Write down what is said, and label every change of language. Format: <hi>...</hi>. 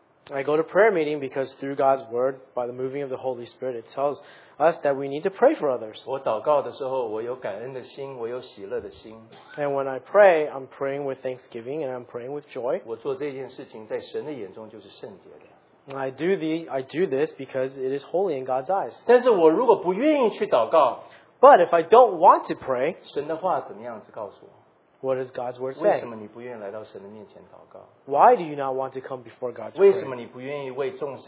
<en>I go to prayer meeting because through God's word, by the moving of the Holy Spirit, it tells us that we need to pray for others.</en> <zh>我祷告的时候,我有感恩的心,我有喜乐的心。</zh> <en>And when I pray, I'm praying with thanksgiving and I'm praying with joy.</en> <zh>我做这件事情在神的眼中就是圣洁的。</zh> <en>I do this because it is holy in God's eyes.</en> <zh>但是我如果不愿意去祷告,</zh> <en>but if I don't want to pray,</en> <zh>神的话怎么样子告诉我?</zh> <en>What does God's word say?</en> <zh>为什么你不愿意来到神的面前祷告?</zh> <en>Why do you not want to come before God's prayer?</en>